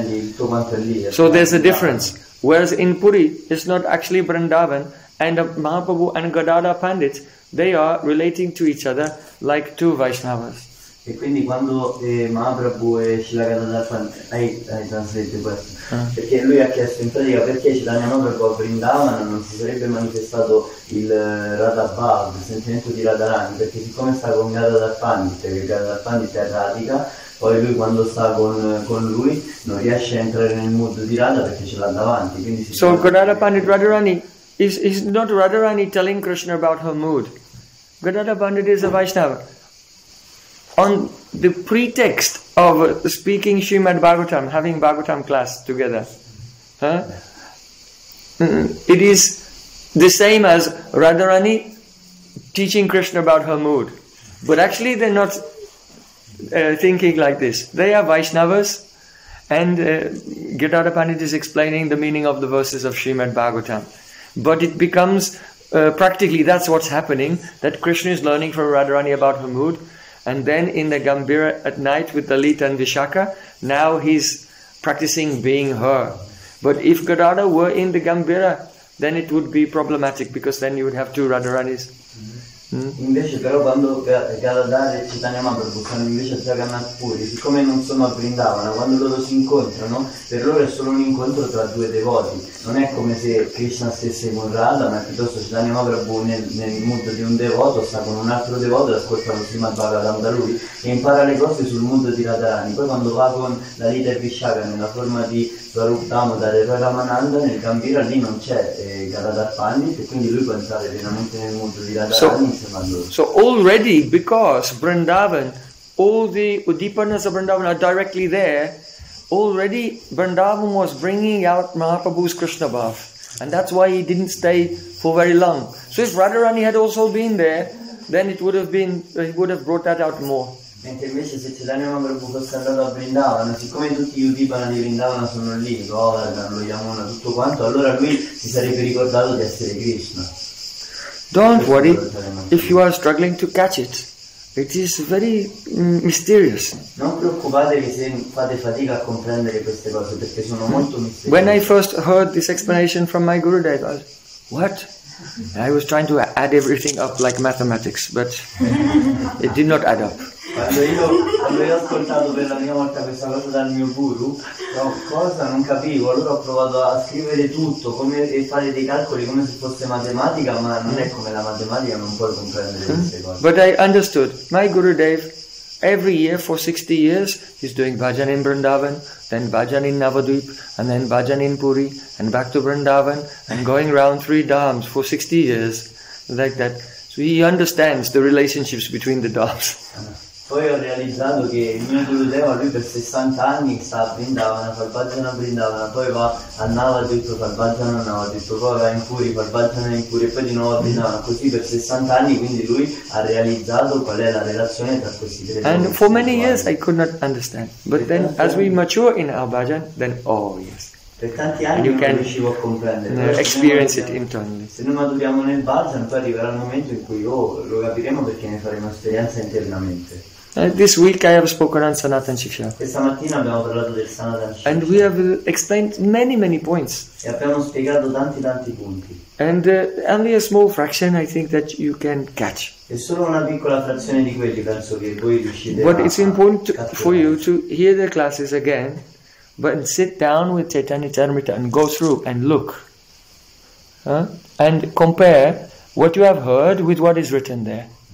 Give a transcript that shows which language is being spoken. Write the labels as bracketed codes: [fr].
[en] So there's a difference. Whereas in Puri, it's not actually Vrindavan, and Mahaprabhu and Gadada Pandit, they are relating to each other like two Vaishnavas. [it] E quindi quando Mahaprabhu e Srila Gadadhar Pandit, hai translate questo, perché lui ha chiesto in pratica perché Chaitanya Mahaprabhu a Vrindavan non si sarebbe manifestato il Radha Bhav, il sentimento di Radharani, perché siccome sta con Gadadhar Pandit, che Gadadhar Pandit è Radhika, poi lui quando sta con lui non riesce a entrare nel mood di Radha perché ce l'ha davanti. Quindi si [en] so Gadadhar Pandit Radharani, is not Radharani telling Krishna about her mood. Gadadhar Pandit is a Vaishnava. On the pretext of speaking Srimad Bhagavatam, having Bhagavatam class together, it is the same as Radharani teaching Krishna about her mood. But actually they're not thinking like this. They are Vaishnavas, and Gadadhar Pandit is explaining the meaning of the verses of Srimad Bhagavatam. But it becomes, practically that's what's happening, that Krishna is learning from Radharani about her mood. And then in the Gambira at night with Lalita and Vishakha, now he's practicing being her. But if Gadadhar were in the Gambira, then it would be problematic, because then you would have two Radharanis. [it] Invece però quando Gadadhar e Chaitanya Mahaprabhu sono invece a Jagannath Puri, siccome non sono a Vrindavana, quando loro si incontrano, per loro è solo un incontro tra due devoti. Non è come se Krishna stesse con Radha, ma piuttosto Chaitanya Mahaprabhu nel mood di un devoto sta con un altro devoto e ascolta lo Srimad Bhagavatam da lui e impara le cose sul mood di Radharani. Poi quando va con la Lita e Vishakha nella forma di Swarup Damodar e Ramananda, nel Gambira lì non c'è Gadadhar Pandit, e quindi lui può entrare pienamente nel mood di Radharani. [en] So already, because Vrindavan, all the Udipanas of Vrindavan are directly there, already Vrindavan was bringing out Mahaprabhu's Krishna Bhav. And that's why he didn't stay for very long. So if Radharani had also been there, then it would have been, he would have brought that out more. [it] Mentre invece se Chaitanya Mahaprabhu fosse andato a Vrindavan, siccome tutti gli Udipana di Vrindavan sono lì, Govardhan, lo Yamuna, tutto quanto, allora lui si sarebbe ricordato di essere Krishna. [en] Don't worry if you are struggling to catch it. It is very mysterious. [it] Non preoccupatevi se fate fatica a comprendere queste cose, perché sono molto mysterious. [en] When I first heard this explanation from my Gurudev, I was, what? I was trying to add everything up like mathematics, but it did not add up. [it] Quando io ho ascoltato per la prima volta questa cosa dal mio guru, no, cosa non capivo, allora ho provato a scrivere tutto come, e fare dei calcoli come se fosse matematica, ma non è come la matematica, non puoi comprendere queste cose. [en] But I understood, my Gurudev, every year for 60 years, he's doing bhajan in Vrindavan, then bhajan in Navadvip, and then bhajan in Puri, and back to Vrindavan, and going round three dhams for 60 years, like that. So he understands the relationships between the dhams. [it] Poi ho realizzato che il mio Gurudev, lui per 60 anni sta a Vrindavana, fa il bhajana a Vrindavana, poi va a Navadvip, fa il bhajana a Navadvip, poi va in Puri, fa il bhajana in Puri, e poi di nuovo a Vrindavana, così per 60 anni, quindi lui ha realizzato qual è la relazione tra questi tre. [en] And for many years I could not understand, but then as we mature in our bhajan, then oh yes. [it] Per tanti anni non riuscivo a comprendere. [en] Experience it internally. [it] Se non maturiamo nel bhajan, poi arriverà il momento in cui lo capiremo, perché ne faremo esperienza internamente. [en] This week I have spoken on Sanatana Shiksha. [it] Questa mattina abbiamo parlato del Sanatana Shiksha. [en] And we have explained many, many points. [it] E abbiamo spiegato tanti, tanti punti. [en] And only a small fraction, I think, that you can catch. [it] È solo una piccola frazione di quelli, penso che voi riuscite. [en] But it's important for you to hear the classes again, but sit down with Chaitanya Charitamrita and go through and look, and compare what you have heard with what is written there.